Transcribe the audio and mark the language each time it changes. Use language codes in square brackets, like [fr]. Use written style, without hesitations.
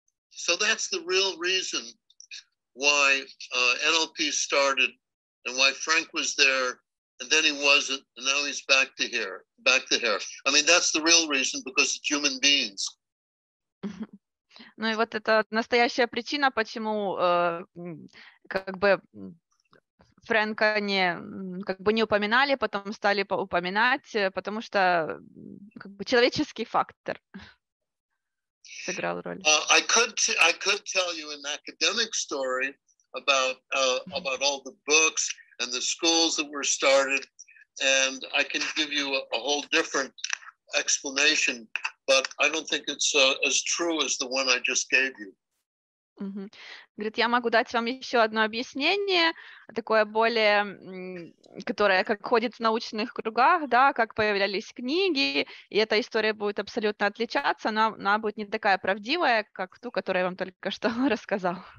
[en] So that's the real reason why NLP started and why Frank was there and then he wasn't and now he's back to here, back to here. I mean, that's the real reason because it's human beings. [ru] Ну и вот это настоящая причина, почему как бы Фрэнка не, как бы не упоминали, потом стали упоминать, потому что как бы человеческий фактор сыграл роль. [en] I could tell you an academic story about all the books and the schools that were started, and I can give you a whole different explanation. But I don't think it's as true as the one I just gave you. [ru] Говорит, я могу дать вам еще одно объяснение, такое более, которое как ходит в научных кругах, да, как появлялись книги, и эта история будет абсолютно отличаться, но она будет не такая правдивая, как ту, которую я вам только что рассказал.